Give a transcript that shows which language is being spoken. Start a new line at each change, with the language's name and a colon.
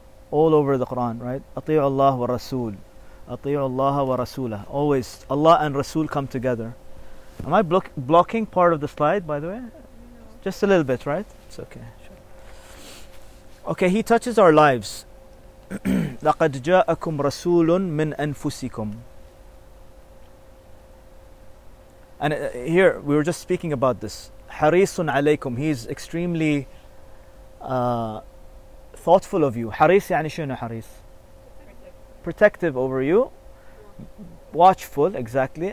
English: All over the Quran, right?
Arabic: Ati'u Allah wa rasul. Ati'u Allah wa rasulah.
English: Always Allah and Rasul come together. Am I blocking part of the slide, by the way? No. Just a little bit, right? It's okay. Sure. Okay, he touches our lives.
Arabic: لقد جاءكم رسول من أنفسكم.
English: And here, we were just speaking about this.
Arabic: حَرِيصٌ عَلَيْكُمْ
English: He's extremely thoughtful of you.
Arabic: حَرِيص يعني شنو حَرِيص?
English: Protective over you. Watchful, exactly.